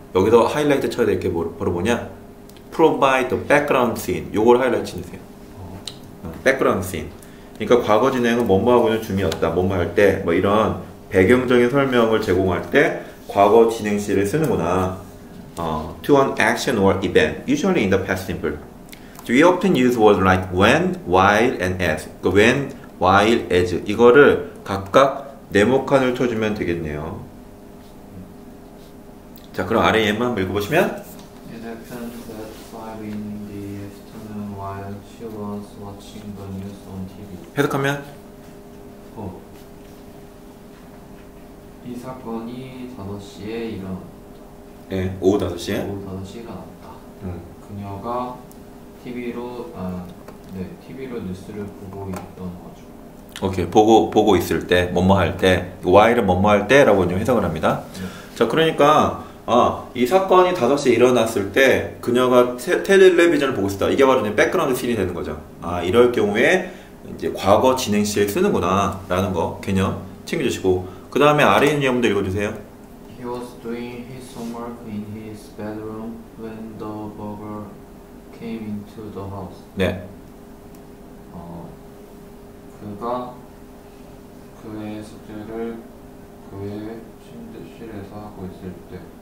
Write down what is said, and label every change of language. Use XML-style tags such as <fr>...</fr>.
<ko>여기서 하이라이트 쳐야 될 게 바로 뭐냐?</ko> <en>Provide the background scene.</en> <ko>요걸 하이라이트 해주세요.</ko> <en>Background scene.</en> <ko>그러니까 과거 진행은 뭐뭐 하고는 중이었다. 뭐뭐 할 때 뭐 이런 배경적인 설명을 제공할 때 과거 진행 시를 쓰는구나.</ko> <en>To an action or event, usually in the past simple. We often use words like when, while, and as. When, while, as.</en> <ko>이거를 각각 네모칸을 쳐주면 되겠네요. 자, 그럼 아래 예만 읽어보시면.</ko> <en>It happened that five in the afternoon while she was watching the news on TV.</en> <ko>해석하면? 이 사건이 5시에 일어났다. 예, 네, 오후 5시에? 오후 5시에 일어났다. 그녀가 TV로, TV로 뉴스를 보고 있던 거죠. 오케이, 보고 있을 때, 뭐뭐 할 때, while은 뭐뭐 할 때라고 좀 해석을 합니다. 자, 그러니까, 이 사건이 5시에 일어났을 때, 그녀가 텔레비전을 보고 있었다. 이게 바로 이제 백그라운드 씬이 되는 거죠. 아, 이럴 경우에, 이제 과거 진행 시에 쓰는구나, 라는 거, 개념 챙겨주시고, 그 다음에 아래 있는 예문도 읽어주세요.</ko> <en>He was doing his homework in his bedroom when the burglar came into the house.</en> <ko>네. 그가 그의 숙제를 그의 침대실에서 하고 있을 때</ko>